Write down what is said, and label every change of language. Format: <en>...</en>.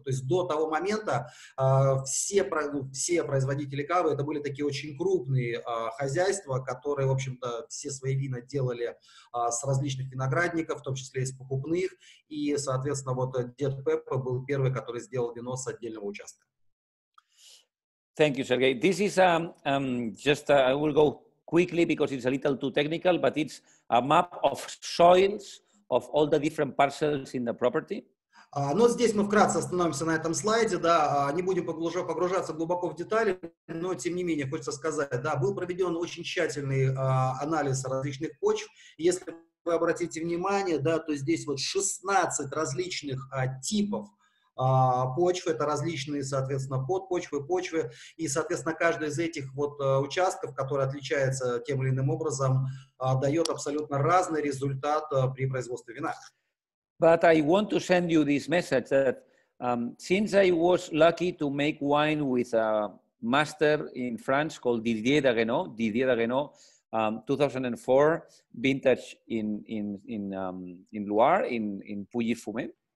<ru>То есть до того момента все производители кавы, это были такие очень крупные хозяйства, которые, в общем-то, все свои вина делали с различных виноградников, в том числе из покупных, и, соответственно, вот дед Пеппа был первый, который сделал вино с отдельного участка.</ru> <en>Thank you, Сергей. This is just, I will go quickly because it's a little too technical, but it's a map of soils of all the different parcels in the property.</en> <ru>Но здесь мы вкратце остановимся на этом слайде, да, не будем погружаться глубоко в детали, но тем не менее хочется сказать, да, был проведен очень тщательный анализ различных почв. Если вы обратите внимание, да, то здесь вот 16 различных типов почвы, это различные, соответственно, подпочвы, и, соответственно, каждый из этих вот участков, который отличается тем или иным образом, дает абсолютно разный результат при производстве вина.</ru> <en>But I want to send you this message that since I was lucky to make wine with a master in France called Didier Dagenot, 2004 vintage in Loire, in Puy-Fumé.</en>